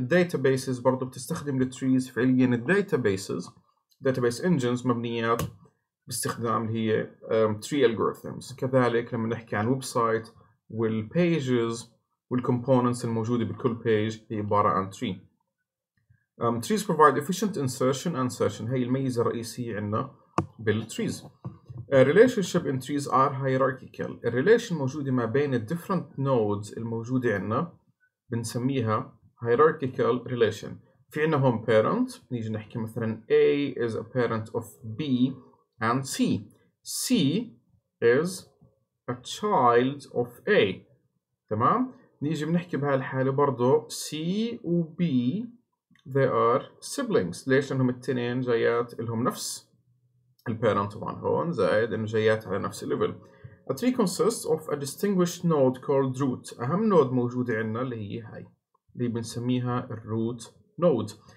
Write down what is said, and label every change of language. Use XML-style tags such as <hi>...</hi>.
<ar>databases برضو بتستخدم التريز فعليا، databases database engines مبنيات باستخدام اللي هي tree algorithms. كذلك لما نحكي عن website والpages والcomponents الموجودة بكل page هي عبارة عن tree.</ar> <en>Trees provide efficient insertion and searching.</en> <ar>هي الميزة الرئيسية عندنا بالtrees.</ar> <en>A relationship in trees are hierarchical. A relation</en> <ar>موجودة ما بين</ar> <en>the different nodes</en> <ar>الموجودة عندنا بنسميها</ar> <en>hierarchical relation.</en> <ar>في عندنا هون parent، نيجي نحكي مثلا</ar> <en>A is a parent of B and C. C is a child of A.</en> <ar>تمام؟ نيجي بنحكي بهاي الحالة برضو C و B</ar> <en>they are siblings.</en> <ar>ليش؟ لأنهم التنين جايات لهم نفس الparent طبعا هون زائد انه جايات على نفس الليفل.</ar> <en>A tree consists of a distinguished node called root.</en> <ar>اهم نود موجودة عندنا اللي هي هاي اللي بنسميها root node.</ar>